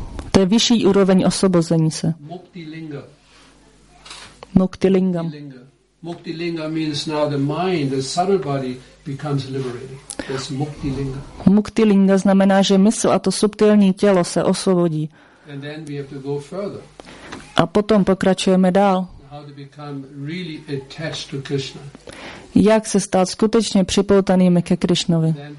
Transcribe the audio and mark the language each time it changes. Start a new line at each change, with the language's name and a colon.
Czech: To je vyšší úroveň osvobození se. Muktilinga. Muktilinga.
English: Muktilinga means now the mind, the subtle body becomes liberated. That's muktilinga.
Czech: Muktilinga znamená, že mysl a to subtilní tělo se osvobodí.
English: And then we have to go further.
Czech: A potom pokračujeme dál.
English: How to become really attached to Krishna.
Czech: Jak se stát skutečně připoutanými ke Krišnovi.